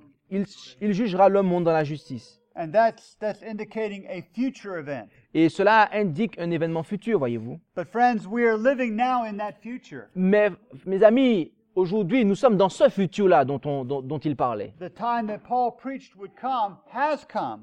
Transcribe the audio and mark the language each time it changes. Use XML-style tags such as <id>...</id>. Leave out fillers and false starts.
<fr>Il jugera le monde dans la justice.</fr> <en>And that's indicating a future event.</en> <fr>Et cela indique un événement futur, voyez-vous.</fr> <en>But friends, we are living now in that future.</en> <fr>Mais mes amis, aujourd'hui, nous sommes dans ce futur-là dont il parlait.</fr> <en>The time that Paul preached would come has come.</en>